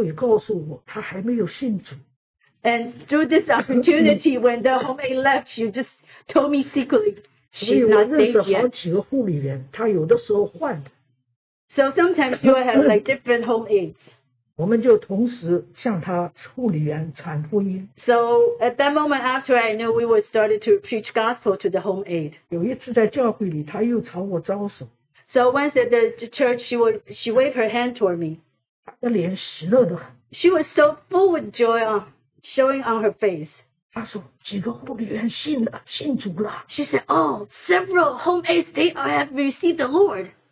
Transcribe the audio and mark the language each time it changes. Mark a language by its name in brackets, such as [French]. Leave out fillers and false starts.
[Chinese] 即使他找这个机会告诉我，他还没有信主。 [English] And through this opportunity, when the homemaid left, she just told me secretly she's not saved yet. [Chinese] 我认识好几个护理员，他有的时候换。 [English] So sometimes you have like different home aides. [Chinese] 我们就同时向他护理员传福音。 [English] So at that moment after I knew we were started to preach gospel to the home aide. [Chinese] 有一次在教会里，他又朝我招手。 [English] So once at the church, she waved her hand toward me. [Chinese] 她的脸喜乐得很。 [English] She was so full with joy, showing on her face. [Chinese] 她说，几个护理员信了，信主了。 [English] She said, oh, several home aides, they have received the Lord.